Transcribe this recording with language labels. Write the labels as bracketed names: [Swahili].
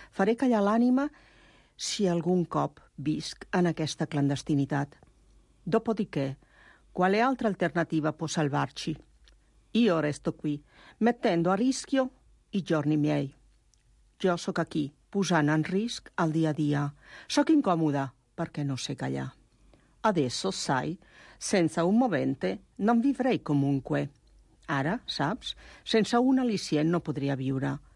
[Catalan] Faré callar l'ànima si algun cop visc en aquesta clandestinitat. [Italian] Dopo di che, quale altra alternativa può salvarci? Io resto qui, mettendo a rischio i giorni miei. [Catalan] Jo sóc aquí, posant en risc el dia a dia. Sóc incòmoda, perquè no sé callar. [Italian] Adesso, sai, senza un movente, non vivrei comunque. [Catalan] Ara, saps, sense un al·licient no podria viure.